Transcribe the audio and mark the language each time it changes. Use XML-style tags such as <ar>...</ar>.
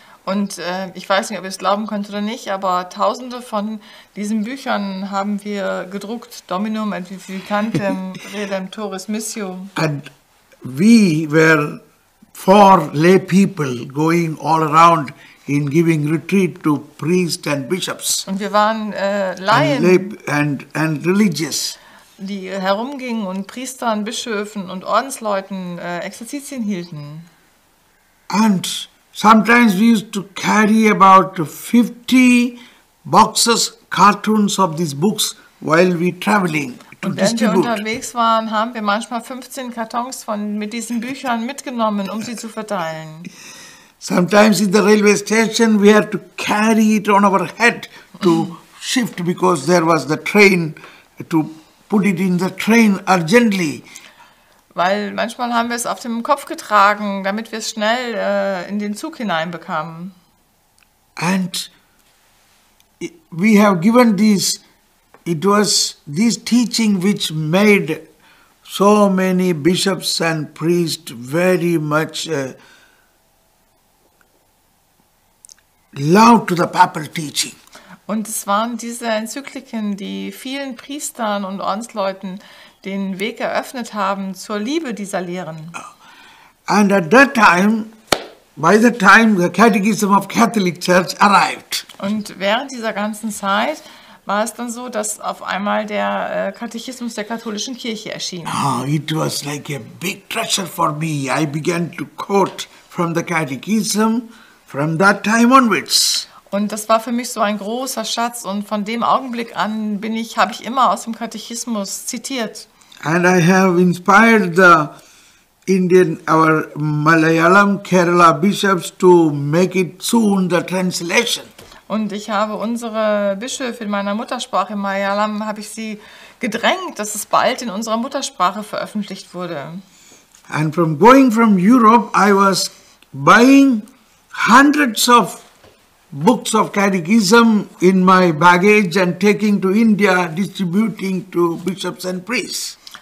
<de>Und ich weiß nicht, ob ihr es glauben könnt oder nicht, aber tausende von diesen Büchern haben wir gedruckt.</de> <la>Dominum et Vivificantem, Redemptoris Missio.</la> <en>And we were four lay people going all around in giving retreat to priests and bishops.</en> <de>Und wir waren Laien</de> <en>and religious.</en> <de>die herumgingen und Priestern, Bischöfen und Ordensleuten Exerzitien hielten.</de> <en>And sometimes we used to carry about 50 boxes, cartons of these books while we traveling.</en> <de>Und wenn wir unterwegs waren, haben wir manchmal 15 Kartons mit diesen Büchern mitgenommen, um sie zu verteilen.</de> <en>Sometimes in the railway station we had to carry it on our head to shift because there was the train to put it in the train urgently.</en> <de>Weil manchmal haben wir es auf dem Kopf getragen, damit wir es schnell in den Zug hineinbekamen.</de> <en>And we have given these. It was this teaching which made so many bishops and priests very much loud to the papal teaching.</en> <de>Und es waren diese Enzykliken, die vielen Priestern und Ordensleuten den Weg eröffnet haben zur Liebe dieser Lehren.</de> <en>And at that time, by the time the Catechism of Catholic Church arrived.</en> <de>Und während dieser ganzen Zeit war es dann so, dass auf einmal der Katechismus der katholischen Kirche erschien.</de> <en>Ah, it was like a big treasure for me. I began to quote from the Catechism from that time onwards.</en> <de>Und das war für mich so ein großer Schatz. Und von dem Augenblick an habe ich immer aus dem Katechismus zitiert.</de> <en>And I have inspired the Indian, our Malayalam, Kerala bishops to make it soon the translation.</en> <de>Und ich habe unsere Bischöfe in meiner Muttersprache, in Malayalam, habe ich sie gedrängt, dass es bald in unserer Muttersprache veröffentlicht wurde.</de> <en>And from going from Europe, I was buying hundreds of books of catechism in my baggage and taking to India, distributing to bishops and priests.</en>